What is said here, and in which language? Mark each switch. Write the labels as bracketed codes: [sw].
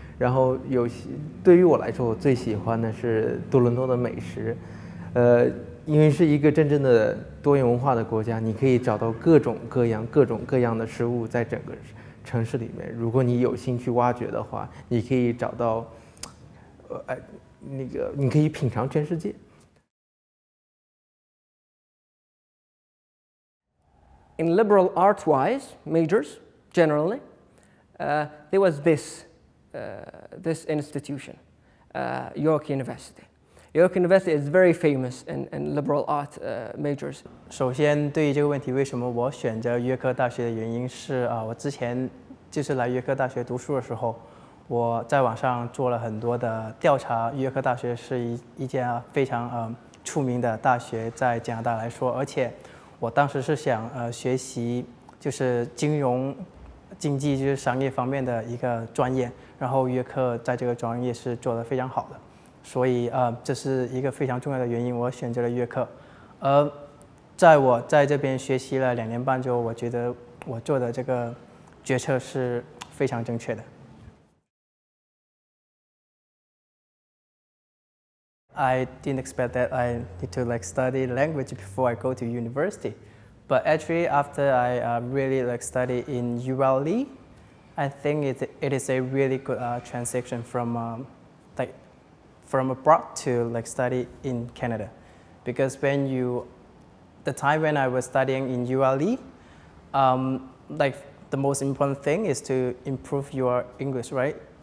[zh] 然后有些对于我来说，我最喜欢的是多伦多的美食，因为是一个真正的多元文化的国家，你可以找到各种各样的食物在整个城市里面。如果你有兴趣挖掘的话，你可以找到，你可以品尝全世界。 [en] In liberal arts-wise majors, generally, there was this institution, York University. York University is very famous in liberal arts majors. [zh] 首先，对于这个问题，为什么我选择约克大学的原因是啊，我之前就是来约克大学读书的时候，我在网上做了很多的调查，约克大学是一间非常出名的大学，在加拿大来说，而且。我当时是想，学习就是金融、经济就是商业方面的一个专业，然后约克在这个专业是做得非常好的，所以，这是一个非常重要的原因，我选择了约克。而在我在这边学习了2年半之后，我觉得我做的这个决策是非常正确的。 [en] I didn't expect that I need to like study language before I go to university, but actually after I really like study in ULE, I think it is a really good transition from abroad to like study in Canada, because the time when I was studying in ULE, like the most important thing is to improve your English, right?